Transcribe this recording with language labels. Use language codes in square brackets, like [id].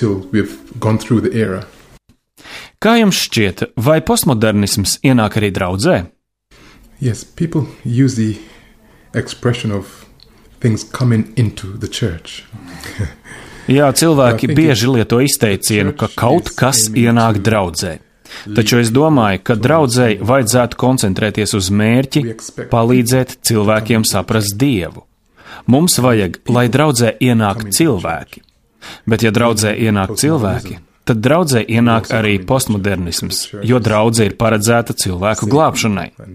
[lv] Kā jums šķiet, vai postmodernisms ienāk arī draudzē? [en] Yes, people use the expression of things coming into the church. [lv] Jā, cilvēki bieži lieto izteicienu, ka kaut kas ienāk draudzē. Taču es domāju, ka draudzei vajadzētu koncentrēties uz mērķi, palīdzēt cilvēkiem saprast Dievu. Mums vajag, lai draudzē ienāk cilvēki. Bet ja draudzē ienāk cilvēki, tad draudzē ienāk arī postmodernisms, jo draudze ir paredzēta cilvēku glābšanai.